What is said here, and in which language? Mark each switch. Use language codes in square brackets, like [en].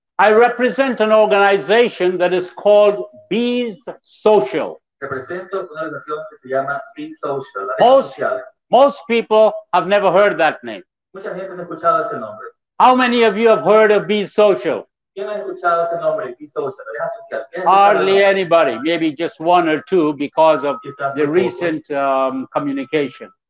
[en] I represent an organization that is called Bees Social. [es] Represento una organización que se llama Bees Social. [en] Most people have never heard that name. [es] Mucha gente no ha escuchado ese nombre. [en] How many of you have heard of Bees Social? Hardly anybody, maybe just one or two because of the recent communication.